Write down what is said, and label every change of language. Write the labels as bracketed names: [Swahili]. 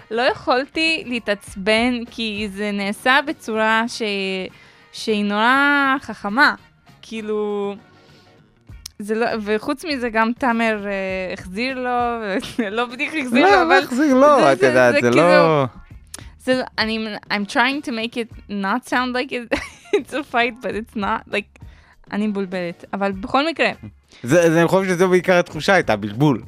[Hebrew] לא יכולתי להתעצבן כי זה נעשה בצורה שהיא נורא חכמה. כאילו, וחוץ מזה גם תאמר החזיר לו, לא בדיוק החזיר לו. לא, לא החזיר לו, את יודעת, זה לא... [English] So, I mean, I'm trying to make it not sound like it's a fight, but it's not, like, [Hebrew] אני מבולבלת. אבל בכל מקרה, זה אני חושב שזה בעיקר התחושה הייתה בלבול.